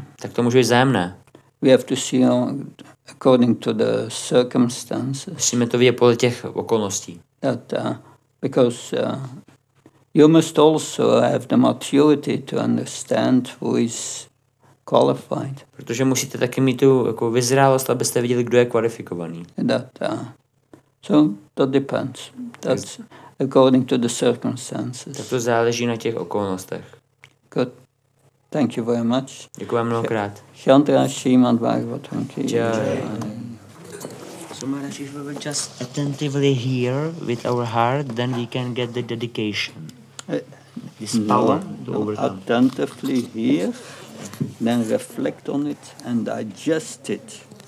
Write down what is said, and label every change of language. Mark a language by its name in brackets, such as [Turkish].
[Czech] Tak to může být vzájemné. [English] We have to see according to the circumstances. [Czech] Musíme to vidět podle těch okolností. [English] That, because you must also have the maturity to understand who is qualified. [Czech] Protože musíte taky mít tu jako vyzrálost, abyste viděli, kdo je kvalifikovaný. [English] That, so that depends. That's according to the circumstances. [Czech] Tak to záleží na těch okolnostech. [English] Good. Thank you very much. [Czech] Děkuji vám mnohokrát. Chantra Shiman Bhagavat. [English] So Maharaj, if we will just attentively hear with our heart, then we can get the dedication. This power to overcome. Attentively hear, then reflect on it and digest it.